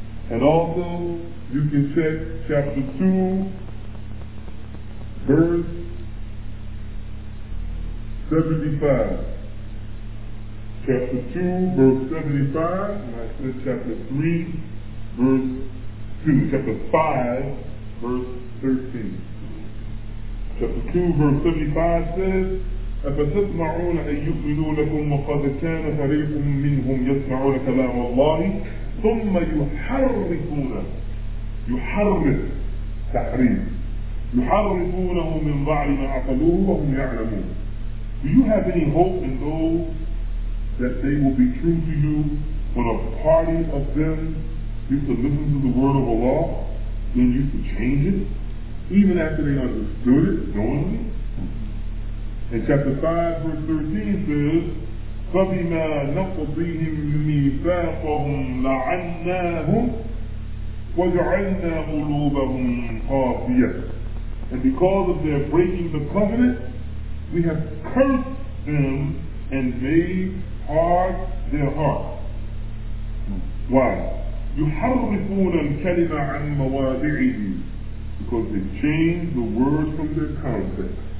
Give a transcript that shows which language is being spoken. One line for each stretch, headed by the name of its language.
English: And also, you can check chapter 2, verse 75. Chapter 2, verse 75, and I said chapter 3, verse 2, chapter 5, verse 13. Chapter 2, verse 75 says,
Arabic: أَفَتَسْمَعُونَ أَن يُؤْمِنُوا لَكُمْ وَقَدْ كَانَ فَرِيقٌ مِّنْهُمْ يَسْمَعُونَ كَلَامَ اللَّهِ ثُمَّ يُحَرِّفُونَهُ يحرف تحريف يحرفونه من بعد ما عقلوه وهم يعلمون.
English: Do you have any hope in those that they will be true to you when a party of them used to listen to the word of Allah then used to change it even after they understood it knowingly? And chapter 5 verse 13 says
Arabic: فَبِمَا نَقْضِهِمْ مِيثَاقَهُمْ لَعَنَّاهُمْ وَجَعَلْنَا قُلُوبَهُمْ قَافِيَةً.
English: And because of their breaking the covenant, we have cursed them and made hard their heart. Why?
Arabic: يُحَرِّفُونَ الْكَلِمَ عَنْ مَوَادِعِهِ.
English: Because they change the words from their context.